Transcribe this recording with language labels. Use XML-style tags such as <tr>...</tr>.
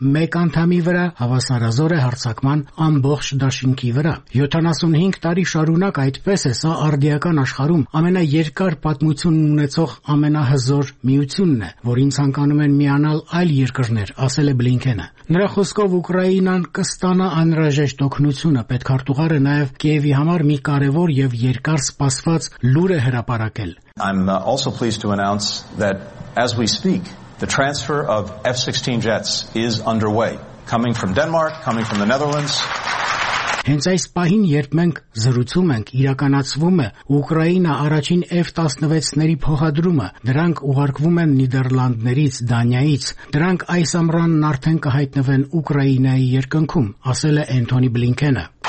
<hy>մեկ անդամի վրա հավասարազոր է հարցակման ամբողջ դաշինքի վրա։ 75 տարի շարունակ այդպես է սա արդիական աշխարհում ամենաերկար պատմություն ունեցող ամենահզոր միությունն է, որին ցանկանում են միանալ այլ երկրներ, ասել է Բլինքենը։ Նրա խոսքով Ուկրաինան կստանա անհրաժեշտ օգնությունը, պետք արտուղարը նաև Կիևի համար մի կարևոր և երկար սպասված լուր է հրապարակել։</hy> <en>I'm also pleased to announce that as we speak, the transfer of F-16 jets is underway, coming from Denmark, coming from the Netherlands.</en> <hy>Հենց այս պահին, երբ մենք զրուցում ենք, իրականացվում է Ուկրաինա առաջին F-16-ների փոխադրումը, դրանք ուղարկվում են Նիդերլանդներից, Դանիայից, դրանք այս ամռանն արդեն կհայտնվեն Ուկրաինայի երկնքում, ասել է Էնթոնի Բլինքենը։</hy>